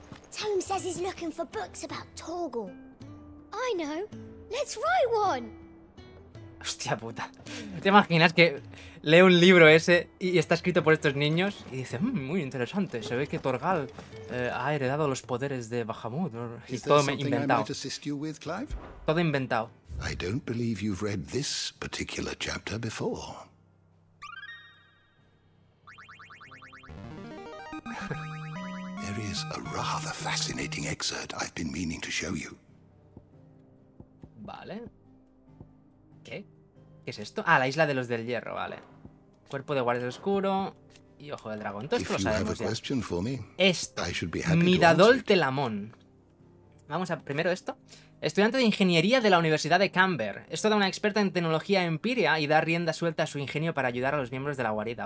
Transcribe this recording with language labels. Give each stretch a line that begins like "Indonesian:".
English: Tom says he's looking for books about Torgal. I know. Let's write one.
Spanish: Hostia puta. ¿Te imaginas que lee un libro ese y está escrito por estos niños? Y dice, muy interesante. Se ve que Torgal ha heredado los poderes de Bahamut. Y todo inventado. Todo inventado.
English: I don't believe you've read this particular chapter before. There is a rather fascinating excerpt I've been meaning to show you.
Spanish: Vale. ¿Qué? ¿Qué es esto? Ah, la isla de los del hierro, vale. Cuerpo de guardia oscuro y ojo del dragón. Todo esto lo sabemos ya. Esto, Midadol Telamón. Vamos a primero esto. Estudiante de ingeniería de la Universidad de Camber. Es toda una experta en tecnología empírica y da rienda suelta a su ingenio para ayudar a los miembros de la guarida.